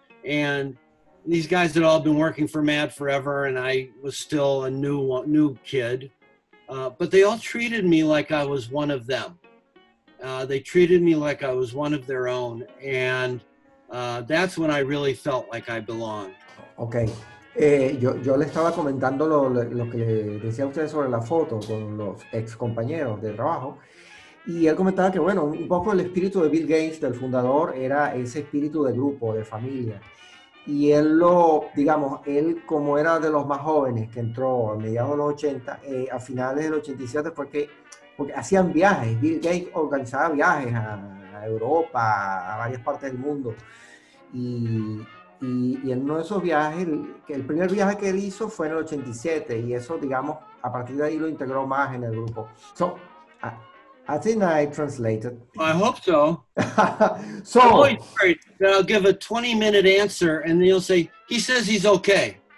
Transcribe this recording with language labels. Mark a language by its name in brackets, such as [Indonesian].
[English] And these guys had all been working for MAD forever, and I was still a new kid. But they all treated me like I was one of them. They treated me like I was one of their own. And that's when I really felt like I belonged. Okay. [Spanish] Yo le estaba comentando lo que decía usted sobre la foto con los ex compañeros de trabajo. Y él comentaba que, bueno, un poco el espíritu de Bill Gates, del fundador, era ese espíritu de grupo, de familia. Y él lo, digamos, él como era de los más jóvenes que entró a mediados de los 80, a finales del 87, porque hacían viajes. Bill Gates organizaba viajes a Europa, a varias partes del mundo. Y en uno de esos viajes, el primer viaje que él hizo fue en el 87. Y eso, digamos, a partir de ahí lo integró más en el grupo. [English] So, I think I translated. I hope so. So, I'm afraid that I'll give a 20-minute answer, and then you'll say, he says he's okay.